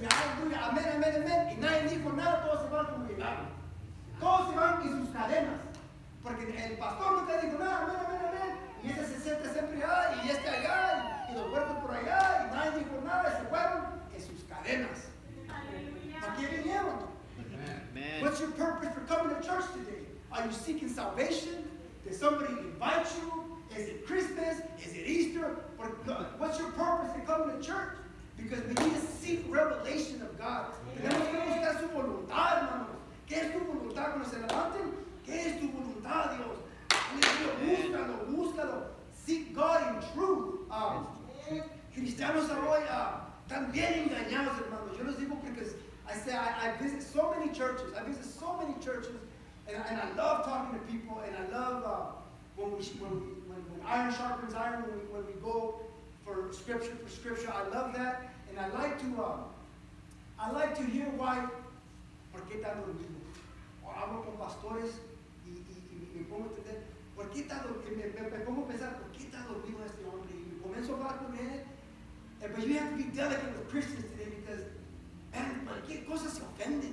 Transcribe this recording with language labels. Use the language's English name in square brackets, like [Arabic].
[Spanish] me, aleluya, amén, amén, amén. Y nadie dijo nada, todos se van como llegaron. Todos se van en sus cadenas. Porque el pastor no te dijo nada, amén, amén, amén. Y ese se siente siempre allá, y este allá, y los cuerpos por allá, y nadie dijo nada, y se fueron en sus cadenas. Aleluya. ¿A quién vinieron? Amen. [English] What's your purpose for coming to church today? Are you seeking salvation? Did somebody invite you? Is it Christmas? Is it Easter? What's your purpose in coming to church? Because we need to seek revelation of God. [Spanish] Tenemos que buscar su voluntad, hermanos. ¿Qué es tu voluntad cuando se levanten? ¿Qué es tu voluntad, Dios? Búscalo, búscalo. [English] Seek God in truth. [Spanish] Cristianos hoy están bien engañados, hermanos. Yo los digo porque [English] I visit so many churches. I visit so many churches. And I love talking to people. And I love when iron sharpens iron, when we go for scripture, I love that. And I like to hear why. [Spanish] ¿Por qué está dormido? O hablo con pastores y me pongo a entender. ¿Por qué está dormido? Me pongo a pensar, ¿por qué está dormido este hombre? Y me comienzo a hablar con él. [English] And, but you have to be delicate with Christians today because, man, [Spanish] cualquier cosa se ofende.